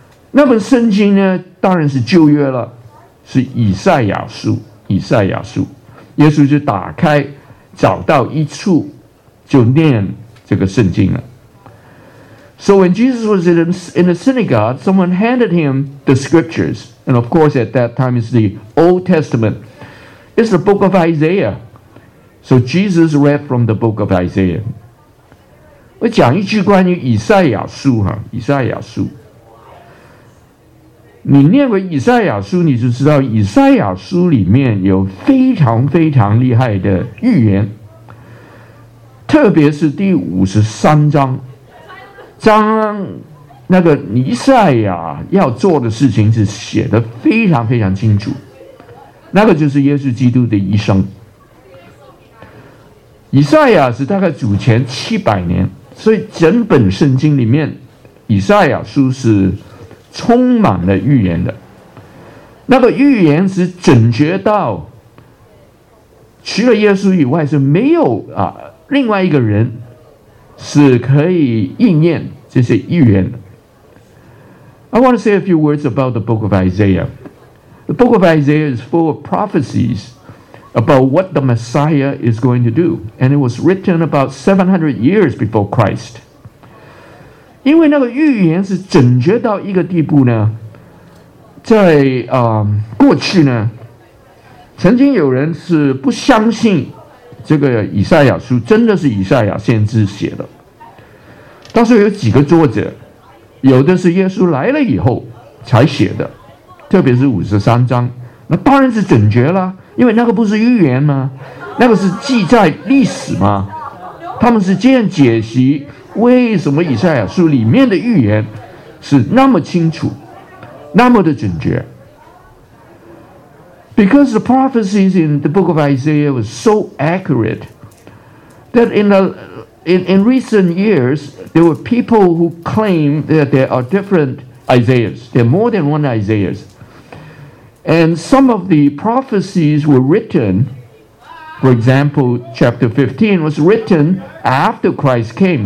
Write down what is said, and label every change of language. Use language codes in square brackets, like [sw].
[zh] 那本圣经呢，当然是旧约了，是以赛亚书。以赛亚书，耶稣就打开，找到一处，就念这个圣经了。 [en] So when Jesus was in the synagogue, someone handed him the scriptures, and of course at that time it's the Old Testament. It's the book of Isaiah. So Jesus read from the book of Isaiah. [zh] 我讲一句关于以赛亚书哈，以赛亚书。你念过以赛亚书，你就知道以赛亚书里面有非常非常厉害的预言，特别是第五十三章，那个尼赛亚要做的事情是写得非常非常清楚，那个就是耶稣基督的一生。以赛亚是大概主前700年，所以整本圣经里面以赛亚书是充满了预言的。那个预言是准确到除了耶稣以外是没有、另外一个人是可以应验这些预言的。 [en] I want to say a few words about the book of Isaiah. The book of Isaiah is full of prophecies about what the Messiah is going to do. And it was written about 700 years before Christ. [zh] 因为那个预言是准确到一个地步呢，在、过去呢，曾经有人是不相信这个以赛亚书真的是以赛亚先知写的。当时有几个作者，有的是耶稣来了以后才写的，特别是53章，那当然是准确了，因为那个不是预言吗？那个是记载历史吗？他们是这样解析为什么以赛亚书里面的预言是那么清楚，那么的准确。 [en] Because the prophecies in the book of Isaiah were so accurate that in recent years, there were people who claim that there are different Isaiahs. There are more than one Isaiah. And some of the prophecies were written, for example, chapter 15 was written after Christ came.